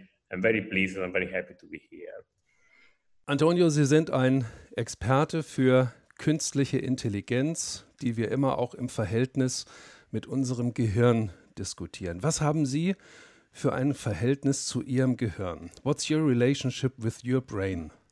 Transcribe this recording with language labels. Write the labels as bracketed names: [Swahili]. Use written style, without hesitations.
[English] I'm very pleased and I'm very happy to be here. [German] Antonio, Sie sind ein Experte für künstliche Intelligenz, die wir immer auch im Verhältnis mit unserem Gehirn diskutieren. Was haben Sie für ein Verhältnis zu Ihrem Gehirn? [English] What's your relationship with your brain?